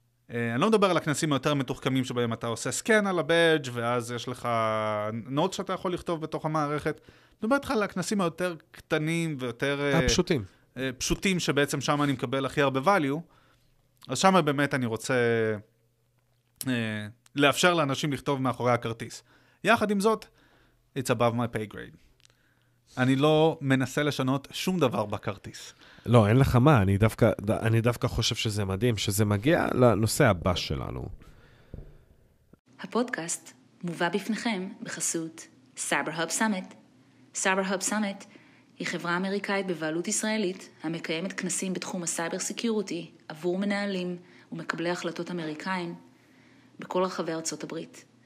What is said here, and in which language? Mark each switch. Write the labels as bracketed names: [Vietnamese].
[Hebrew] אני לא מדבר על הכנסים היותר מתוחכמים שבהם אתה עושה סקן על הבאג' ואז יש לך נוט שאתה יכול לכתוב בתוך המערכת. אני מדבר איתך על הכנסים היותר קטנים ויותר... הפשוטים. פשוטים שבעצם שם אני מקבל הכי הרבה value, אז שם באמת אני רוצה לאפשר לאנשים לכתוב מאחורי הכרטיס. יחד עם זאת, [English] it's above my pay grade. [Hebrew] אני לא מנסה לשנות שום דבר בכרטיס. לא, אין לך מה, אני דווקא חושב שזה מדהים, שזה מגיע לנושא הבא שלנו. הפודקאסט מובא בפניכם בחסות CyberHub Summit. CyberHub Summit היא חברה אמריקאית בבעלות ישראלית, המקיימת כנסים בתחום הסייבר סיקיורטי עבור מנהלים ומקבלי החלטות אמריקאים בכל רחבי ארצות הברית.